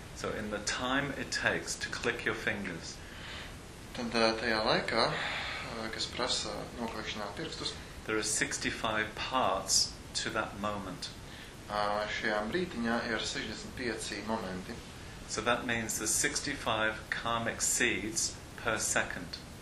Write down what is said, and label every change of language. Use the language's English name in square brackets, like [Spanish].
[English] So, in the time it takes to click your fingers, [Latvian] tad tajā laikā, kas prasa noklikšanāt pirkstus, [English] there are 65 parts to that moment. [Latvian] Šajā brītiņā ir 65 momenti. [English] So that means the 65 karmic seeds per second.